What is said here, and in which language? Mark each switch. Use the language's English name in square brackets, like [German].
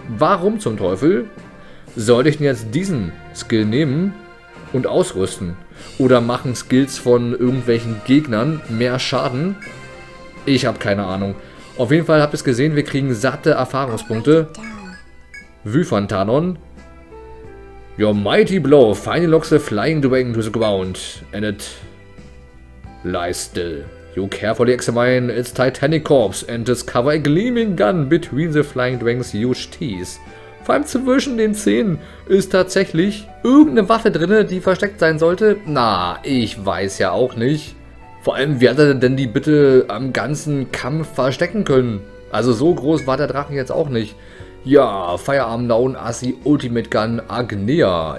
[German] Warum zum Teufel sollte ich denn jetzt diesen Skill nehmen und ausrüsten? Oder machen Skills von irgendwelchen Gegnern mehr Schaden? Ich habe keine Ahnung. Auf jeden Fall habt ihr es gesehen, wir kriegen satte Erfahrungspunkte. Wyfantanon. [English] Your mighty blow finally locks the flying dragon to the ground. And it lies still. You carefully examine its titanic corpse and discover a gleaming gun between the flying dragon's huge teeth. [German] Vor allem zwischen den Zähnen ist tatsächlich irgendeine Waffe drinne, die versteckt sein sollte. Na, ich weiß ja auch nicht. Vor allem, wie hat er denn die bitte am ganzen Kampf verstecken können? Also so groß war der Drachen jetzt auch nicht. Ja, Firearm Down Assi Ultimate Gun Agnea.